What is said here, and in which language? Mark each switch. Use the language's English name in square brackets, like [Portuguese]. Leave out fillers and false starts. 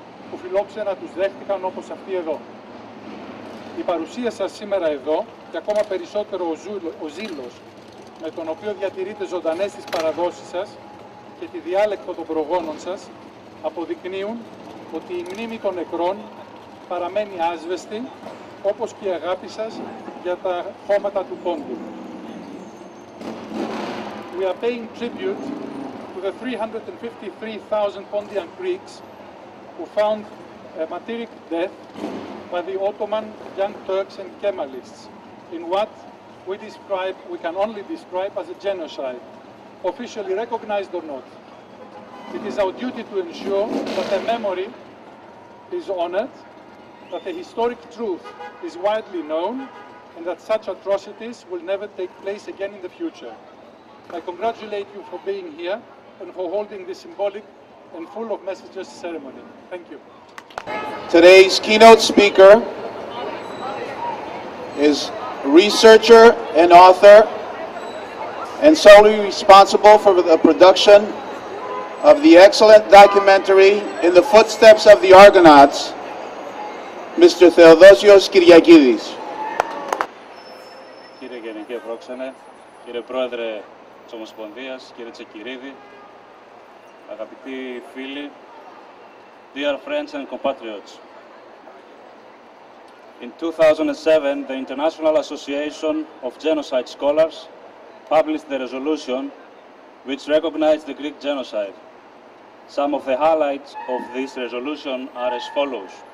[Greek] που φιλόξενα τους δέχτηκαν όπως αυτοί εδώ. Η παρουσία σας σήμερα εδώ και ακόμα περισσότερο ο ζήλος με τον οποίο διατηρείτε ζωντανές τις παραδόσεις σας και τη διάλεκτο των προγόνων σας αποδεικνύουν ότι η μνήμη των νεκρών παραμένει άσβεστη όπως και η αγάπη σας για τα χώματα του Πόντου. [English] We are paying tribute to the 353,000 Pontian Greeks who found a martyric death by the Ottoman Young Turks and Kemalists in what we can only describe as a genocide, officially recognized or not. It is our duty to ensure that their memory is honored, that the historic truth is widely known, and that such atrocities will never take place again in the future. I congratulate you for being here and for holding this symbolic and full of messages ceremony. Thank you. Today's keynote speaker is researcher and author and solely responsible for the production of the excellent documentary In the Footsteps of the Argonauts, Mr. Theodosios Kyriakidis. [Greek] Κύριε Γενική Πρόξενε, κύριε Πρόεδρε της Ομοσπονδίας, κύριε Τσεκυρίδη, αγαπητοί φίλοι, [English] dear friends and compatriots. In 2007, the International Association of Genocide Scholars published the resolution which recognized the Greek genocide. Some of the highlights of this resolution are as follows.